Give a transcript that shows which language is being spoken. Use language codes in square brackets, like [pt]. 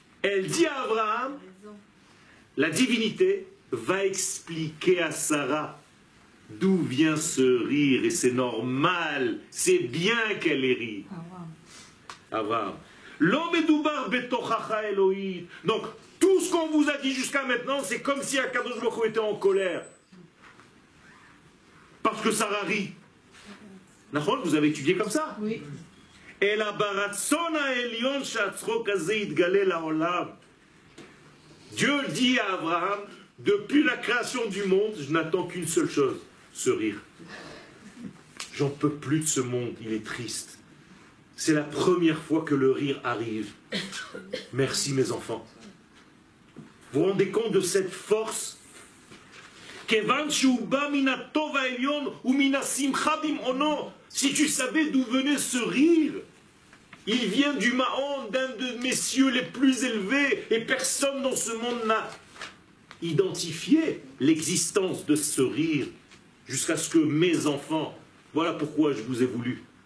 [fr] Elle dit à Abraham, la divinité va expliquer à Sarah d'où vient ce rire, et c'est normal, c'est bien qu'elle ait ri. Abraham. L'homme est [he] doubar betochacha Elohim. [fr] Donc, tout ce qu'on vous a dit jusqu'à maintenant, c'est comme si Akadosh Baruch Hu était en colère. Parce que Sarah rit. Nahon, vous avez étudié comme ça? Oui. [he] אלא ברצון העליון שהצחוק הזה יתגלה לעולם. [fr] Dieu dit à Abraham, depuis la création du monde, je n'attends qu'une seule chose, ce rire. J'en peux plus de ce monde, il est triste. C'est la première fois que le rire arrive. Merci mes enfants. Vous vous rendez compte de cette force? [he] כיוון שהוא בא מן הטוב העליון ומן השמחה במעונו. [fr] Si tu savais d'où venait ce rire, il vient du Mahon, d'un de mes cieux les plus élevés, et personne dans ce monde n'a identifié l'existence de ce rire jusqu'à ce que mes enfants, voilà pourquoi je vous ai voulu.